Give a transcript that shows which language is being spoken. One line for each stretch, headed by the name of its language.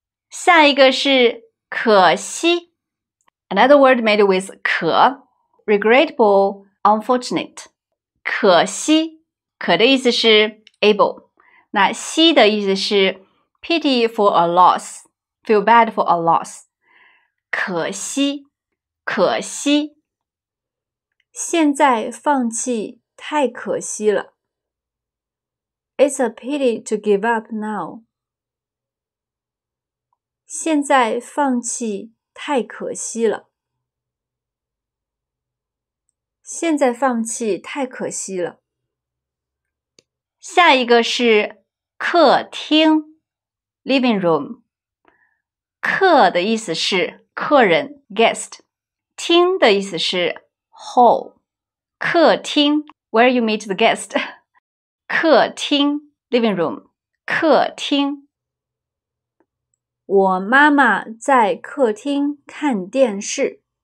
Chinese: 下一个是可惜
English: ，another word made with 可 ，regrettable, unfortunate。
Chinese: 可惜，可的意思是 able， 那惜的意思是
English: pity for a loss。 Feel bad for a loss.
Chinese: 可惜，可惜。现在放弃太可惜了。
English: It's a pity to give up now.
Chinese: 现在放弃太可惜了。现在放弃太可惜了。下一个是客厅 ，
English: living room.
Chinese: 客的意思是客人 guest， 厅的意思是 hall， 客厅
English: where you meet the guest，
Chinese: 客厅
English: living room，
Chinese: 客厅。我妈妈在客厅看电视。